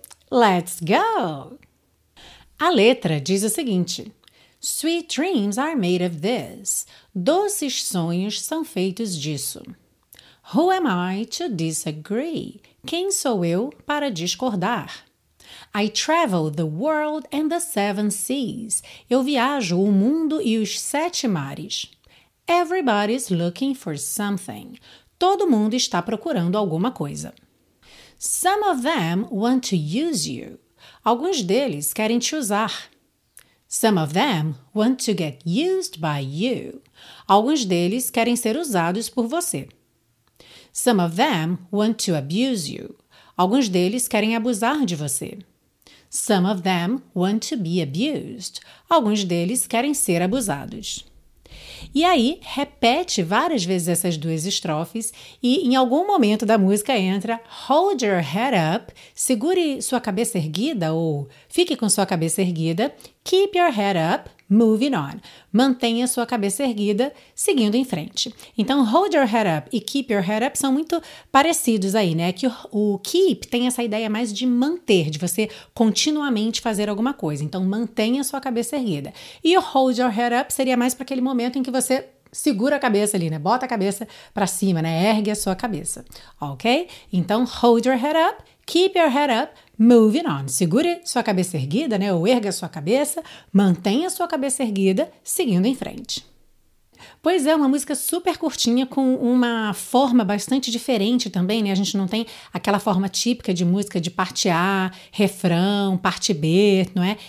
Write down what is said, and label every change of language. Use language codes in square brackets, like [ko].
[en] Let's go! [pt] A letra diz o seguinte: [en] Sweet dreams are made of this. [pt] Doces sonhos são feitos disso. [en] Who am I to disagree? [pt] Quem sou eu para discordar? [en] I travel the world and the seven seas. [pt] Eu viajo o mundo e os sete mares. [en] Everybody's looking for something. [pt] Todo mundo está procurando alguma coisa. [en] Some of them want to use you. [pt] Alguns deles querem te usar. [en] Some of them want to get used by you. [pt] Alguns deles querem ser usados por você. [en] Some of them want to abuse you. [pt] Alguns deles querem abusar de você. [en] Some of them want to be abused. [pt] Alguns deles querem ser abusados. E aí, repete várias vezes essas duas estrofes e em algum momento da música entra [en] Hold your head up, [pt] segure sua cabeça erguida ou fique com sua cabeça erguida, [en] keep your head up, moving on. [pt] Mantenha sua cabeça erguida, seguindo em frente. Então, [en] hold your head up [pt] e [en] keep your head up [pt] são muito parecidos aí, né? Que o keep tem essa ideia mais de manter, de você continuamente fazer alguma coisa. Então, mantenha sua cabeça erguida. E o [en] hold your head up [pt] seria mais para aquele momento em que você segura a cabeça ali, né? Bota a cabeça para cima, né? Ergue a sua cabeça, ok? [en] Então, hold your head up, keep your head up, moving on. Segure sua cabeça erguida, né? [pt] Ou erga sua cabeça, mantenha sua cabeça erguida, seguindo em frente. Pois é, uma música super curtinha com uma forma bastante diferente também, né? A gente não tem aquela forma típica de música de parte A, refrão, parte B, não é?